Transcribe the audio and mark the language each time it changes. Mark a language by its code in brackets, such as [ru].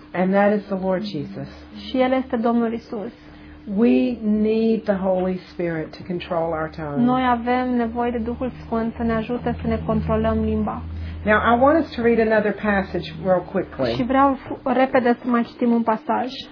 [en] And that is the Lord Jesus. [ro] Și el este Domnul Isus. [en] We need the Holy Spirit to control our tongue. [ro] Noi avem nevoie de Duhul Sfânt să ne ajute să ne controlăm limba. [en] Now I want us to read another passage real quickly. [ro] Și vreau repede să mai citim un pasaj.